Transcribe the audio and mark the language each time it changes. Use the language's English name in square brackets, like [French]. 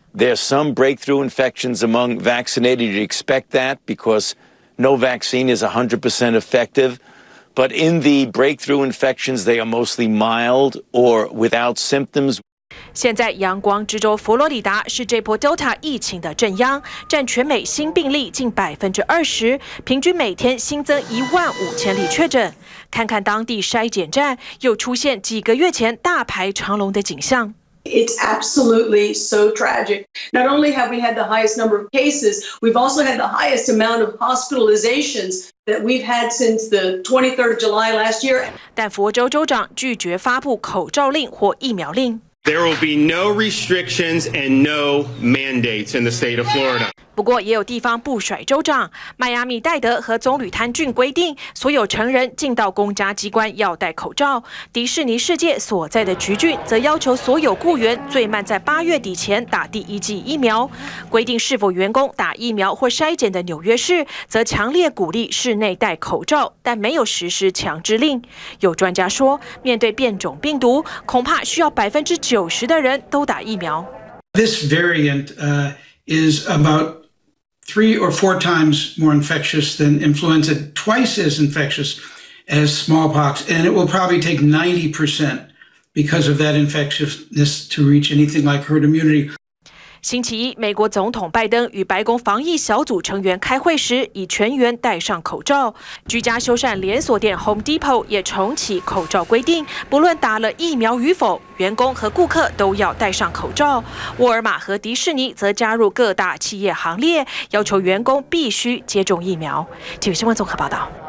[English] There are some breakthrough infections among vaccinated. You expect that because. No vaccine is 100% effective, but in the breakthrough infections, they are mostly mild or without symptoms. [Chinese] 现在阳光之州佛罗里达是这波 Delta 疫情的正央，占全美新病例近20%，平均每天新增15000例确诊。看看当地筛检站，又出现几个月前大排长龙的景象。 [English] It's absolutely so tragic. Not only have we had the highest number of cases, we've also had the highest amount of hospitalizations that we've had since the 23rd of July last year. [Chinese] 但佛州州长拒绝发布口罩令或疫苗令。 [English] There will be no restrictions and no mandates in the state of Florida. [Chinese] 不过也有地方不甩州长，迈阿密戴德和棕榈滩郡规定所有成人进到公家机关要戴口罩，迪士尼世界所在的橘郡则要求所有雇员最慢在8月底前打第一剂疫苗。规定是否员工打疫苗或筛检的纽约市则强烈鼓励室内戴口罩，但没有实施强制令。有专家说，面对变种病毒，恐怕需要90%的人都打疫苗。 [English] This variant, is about 3 or 4 times more infectious than influenza, twice as infectious as smallpox, and it will probably take 90% because of that infectiousness to reach anything like herd immunity. [Chinese] 星期一，美国总统拜登与白宫防疫小组成员开会时，已全员戴上口罩。居家修缮连锁店 Home Depot 也重启口罩规定，不论打了疫苗与否，员工和顾客都要戴上口罩。沃尔玛和迪士尼则加入各大企业行列，要求员工必须接种疫苗。体育新闻综合报道。